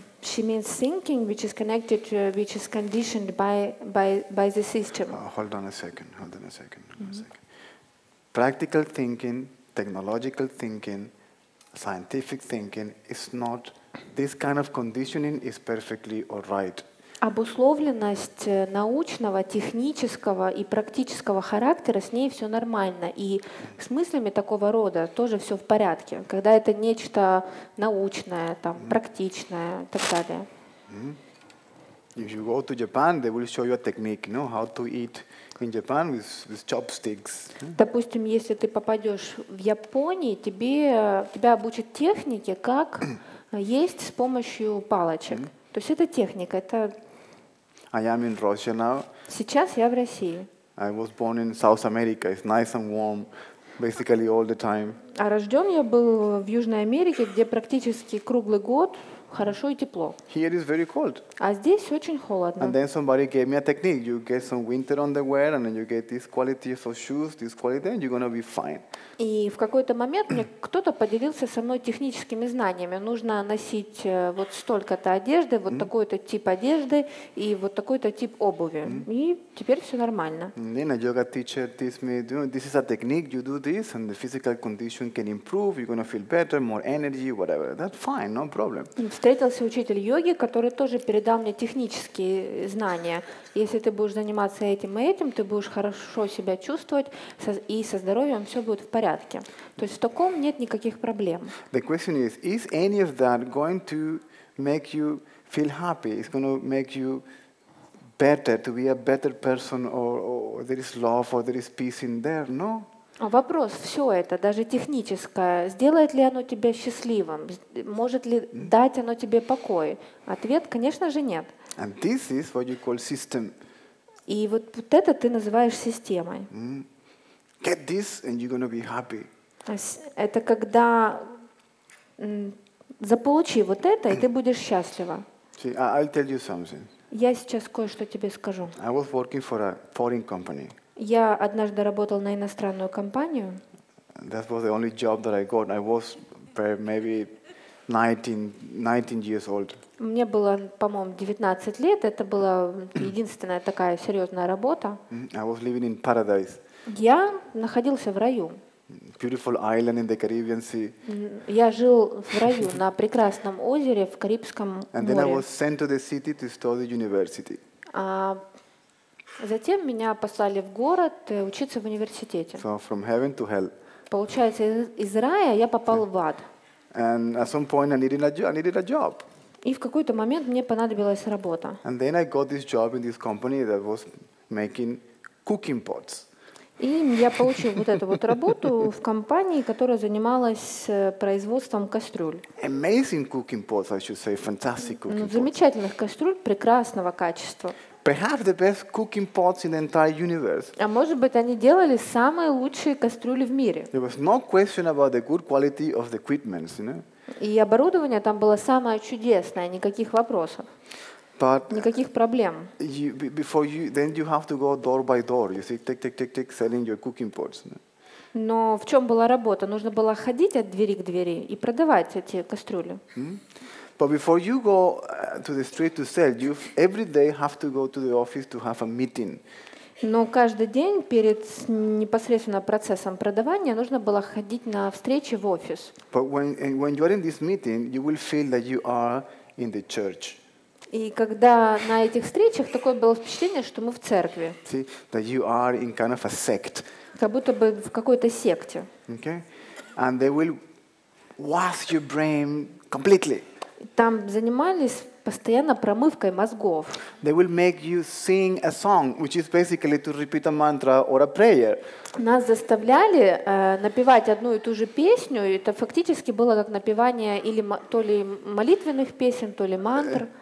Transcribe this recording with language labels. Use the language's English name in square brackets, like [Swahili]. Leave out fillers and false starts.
[English] She means thinking, which is connected, which is conditioned by the system. Hold on a second. Mm-hmm. Practical thinking, technological thinking, scientific thinking is not. This kind of conditioning is perfectly all right. [Russian] Обусловленность научного, технического и практического характера, с ней все нормально. И с мыслями такого рода тоже все в порядке, когда это нечто научное, там, практичное и так далее. [English] If you go to Japan, they will show you a technique, you know, how to eat in Japan with chopsticks. [Russian] Допустим, если ты попадешь в Японию, тебя обучат технике, как есть с помощью палочек. То есть это техника, это... [English] I am in Russia now. [Russian] Сейчас я в России. [English] I was born in South America. It's nice and warm, basically all the time. [Russian] А рожден я был в Южной Америке, где практически круглый год хорошо и тепло. [English] Here is very cold. [Russian] А здесь очень холодно. [English] And then somebody gave me a technique. You get some winter underwear, and then you get these qualities of shoes, this quality, and you're gonna be fine. [Russian] И в какой-то момент мне кто-то поделился со мной техническими знаниями. Нужно носить вот столько-то одежды, вот такой-то тип одежды и вот такой-то тип обуви. И теперь все нормально. [English] Then a yoga teacher teaches me, this is a technique. You do this, and the physical condition can improve. You're gonna feel better, more energy, whatever. That's fine, no problem. [Russian] Встретился учитель йоги, который тоже передал мне технические знания. Если ты будешь заниматься этим и этим, ты будешь хорошо себя чувствовать, и со здоровьем все будет в порядке. То есть в таком нет никаких проблем. [English] The question is any of that going to make you feel happy? It's going to make you better, to be a better person, or there is love, or there is peace in there? No? [Russian] Вопрос, все это, даже техническое, сделает ли оно тебя счастливым? Может ли дать оно тебе покой? Ответ, конечно же, нет. [English] And this is what you call system. [Russian] И вот это ты называешь системой. [English] Get this, and you're gonna be happy. [Russian] Это когда заполучи вот это, и ты будешь счастлива. [English] See, I'll tell you something. [Russian] Я сейчас кое-что тебе скажу. [English] I was working for a foreign company. [Russian] Я однажды работал на иностранную компанию. [English] That was the only job that I got. I was maybe 19 years old. [Russian] Мне было, по-моему, 19 лет. Это была единственная такая серьезная работа. [English] I was living in paradise. [Russian] Я находился в раю. [English] Beautiful island in the Caribbean Sea. [Russian] Я жил в раю на прекрасном озере в Карибском море. [English] And then I was sent to the city to study university. [Russian] Затем меня послали в город учиться в университете. [English] So from heaven to hell. [Russian] Получается, из рая я попал в ад. [English] And at some point I needed a job. [Russian] И в какой-то момент мне понадобилась работа. [English] And then I got this job in this company that was making cooking pots. [Russian] И я получил вот эту вот работу в компании, которая занималась производством кастрюль. [English] Amazing cooking pots, I should say, fantastic cooking pots. [Russian] Замечательных кастрюль прекрасного качества. [English] Perhaps the best cooking pots in the entire universe. [Russian] А может быть, они делали самые лучшие кастрюли в мире. [English] There was no question about the good quality of the equipment, you know. [Russian] И оборудование там было самое чудесное, никаких вопросов. [English] But [Russian] никаких проблем. [English] Then you have to go door by door. You see, tick, selling your cooking pots. [Russian] Но в чем была работа? Нужно было ходить от двери к двери и продавать эти кастрюли. [English] But before you go to the street to sell, you every day have to go to the office to have a meeting. [Russian] Но каждый день перед непосредственно процессом продавания нужно было ходить на встречи в офис. [English] But when you are in this meeting, you will feel that you are in the church. [Russian] И когда на этих встречах такое было впечатление, что мы в церкви. [English] See, that you are in kind of a sect. [Russian] Как будто бы в какой-то секте. [English] Okay. And they will wash your brain completely. [Russian] Там занимались постоянно промывкой мозгов. [English] They will make you sing a song, which is basically to repeat a mantra or a prayer. [Russian] Нас заставляли напевать одну и ту же песню, и это фактически было как напевание или то ли молитвенных песен, то ли мантр.